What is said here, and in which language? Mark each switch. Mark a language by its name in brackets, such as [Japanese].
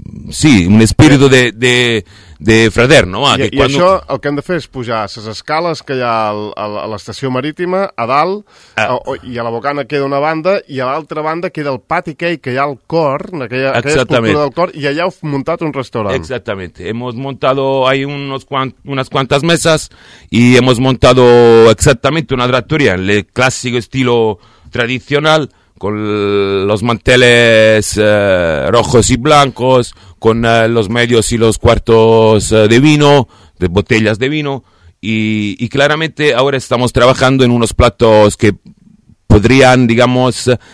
[Spanish] Sí, un espíritu de fraterno. Ah, [Catalan] I això el que hem de fer és pujar a les escales que hi ha a l'estació marítima, a dalt, i a la Bugana queda una banda, i a l'altra banda queda el pati aquell que hi ha al cor, aquella escultura del cor, i allà heu muntat un restaurant. [Spanish] Exactamente. Hemos montado ahí unas cuantas mesas y hemos montado exactamente una trattoria, el clásico estilo tradicional, con los manteles rojos y blancos, con los medios y los cuartos de vino, de botellas de vino, y claramente ahora estamos trabajando en unos platos que podrían, digamos,